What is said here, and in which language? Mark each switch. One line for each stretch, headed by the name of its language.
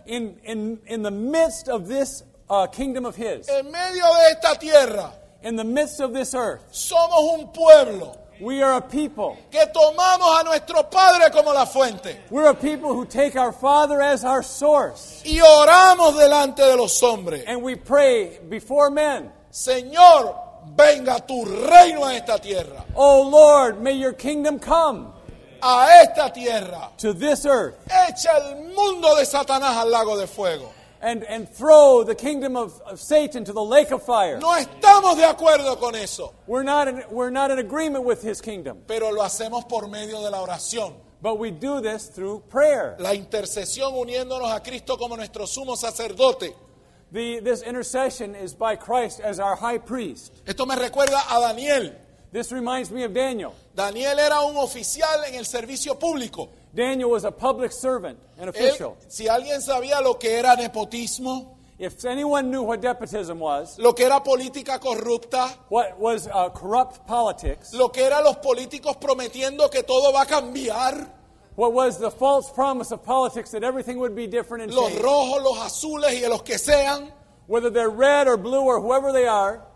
English: In the midst of this kingdom of his.
Spanish: En medio de esta tierra.
English: In the midst of this earth.
Spanish: Somos un pueblo.
English: We are a people.
Spanish: Que tomamos a nuestro Padre como la fuente.
English: We're a people who take our Father as our source.
Spanish: Y oramos delante de los hombres.
English: And we pray before men.
Spanish: Señor, venga tu reino a esta tierra.
English: Oh Lord, may your kingdom come.
Spanish: A esta tierra.
English: To this earth.
Spanish: Echa el mundo de Satanás al lago de fuego.
English: And throw the kingdom of Satan to the lake of fire.
Spanish: No estamos de acuerdo con eso.
English: We're not in agreement with his kingdom.
Spanish: Pero lo hacemos por medio de la oración.
English: But we do this through prayer.
Spanish: La intercesión uniéndonos a Cristo como nuestro sumo sacerdote.
English: This intercession is by Christ as our high priest.
Spanish: Esto me recuerda a Daniel.
English: This reminds me of Daniel.
Spanish: Daniel era un oficial en el servicio público.
English: Daniel was a public servant, an official.
Spanish: Si alguien sabía lo que era nepotismo,
English: if anyone knew what nepotism was,
Spanish: lo que era política corrupta,
English: what was corrupt politics,
Spanish: lo que era los políticos prometiendo que todo va a cambiar,
English: what was the false promise of politics that everything would be different and change,
Spanish: los rojos, los azules y los que sean,
English: whether they're red or blue or whoever they are,